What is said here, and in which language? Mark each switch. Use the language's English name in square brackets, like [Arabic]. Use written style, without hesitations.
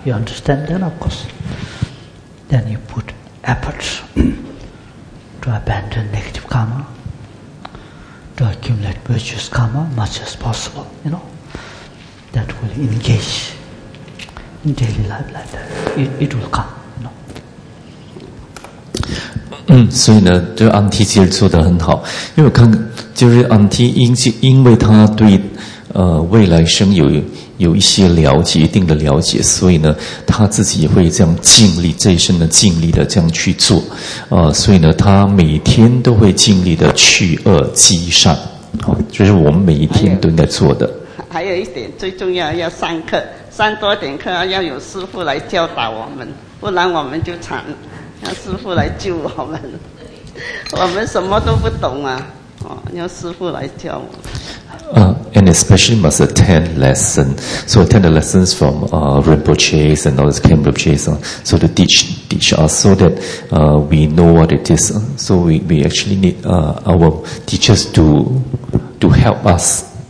[English] You understand then of course. Then you put efforts. To abandon negative karma, to accumulate virtuous karma much as possible, you know, that will engage in daily life like that. It will come, you know. [Chinese] 所以呢，就安提其实做得很好，因为我看就是安提因为他对未来生有一些了解，一定的了解，所以呢，他自己也会这样尽力，这一生的尽力的这样去做，所以呢，他每天都会尽力的去恶积善，好，这是我们每一天都应该做的。还有一点最重要，要上课，上多点课，要有师父来教导我们，不然我们就惨，要师父来救我们，我们什么都不懂啊，要师父来教我们。 [English] And especially must attend lessons. So attend the lessons from Rinpoche and all this Ken Rinpoche, so to teach us so that we know what it is. So we actually need our teachers to help us.